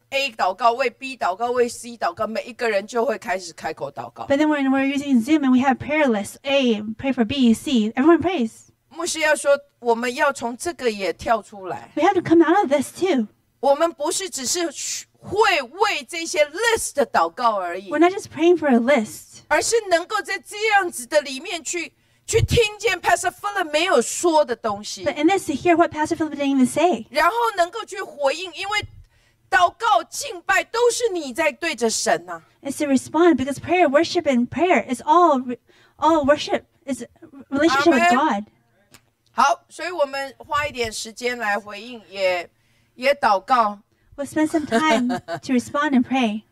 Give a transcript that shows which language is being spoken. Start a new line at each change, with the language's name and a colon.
Chinese: A 祷告，为 B 祷告，为 C 祷告，每一个人就会开始开口祷告。
English: But then when we're using Zoom and we have prayer lists, A pray for B, C, everyone prays.
Chinese: 牧师要说，我们要从这个也跳出来。
English: We have to come out of this too.
Chinese: 我们不是只是会为这些 list 的祷告而已。
English: We're not just praying for a list.
Chinese: 而是能够在这样子的里面去听见 Pastor Philip 没有说的东西。
English: But in this, to hear what Pastor Philip didn't even say.
Chinese: 然后能够去回应，因为祷告敬拜都是你在对着神啊。
English: It's to respond because prayer, worship, and prayer is all worship is relationship with God.
Chinese: 好，所以我们花一点时间来回应，也祷告。
English: We'll spend some time to respond and pray.